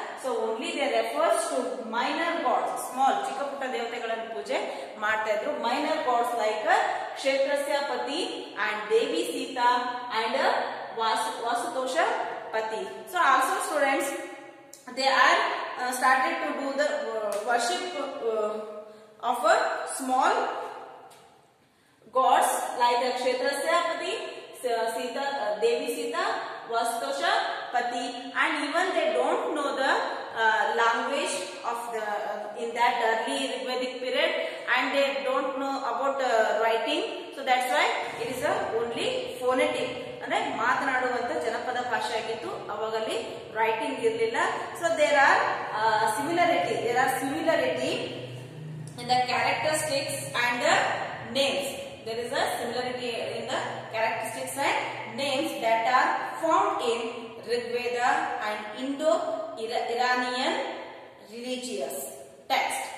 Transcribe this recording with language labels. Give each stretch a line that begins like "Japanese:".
English: so only they refers to minor gods, small
Kannada: ಚಿಕ್ಕ ಪುಟ್ಟ ದೇವತೆಗಳನ್ನು ಪೂಜೆ ಮಾಡ್ತಾ ಇದ್ರು.
English: Minor gods like Kshetrasya Pati and Devi Sita and Vastosha Pati. So also students they are started to do the worship of a small gods like Kshetrasya Pati, Sita, Devi Sita, Vastosha Pati, and even they don't know the language of the in that early Vedic period, and they don't know about writing. So that's why it is a only phonetic.
Kannada: ಅಂದ್ರೆ ಮಾತನಾಡುವಂತ ಜನಪದ ಭಾಷೆ ಆಗಿತ್ತು, ಅವಾಗ ಅಲ್ಲಿ writing ಇರಲಿಲ್ಲ.
English: So there are similarity, there are similarity in the characteristics and the names. There is a similarity in the characteristics and names that are found in Rigveda and Indo Iranian religious text.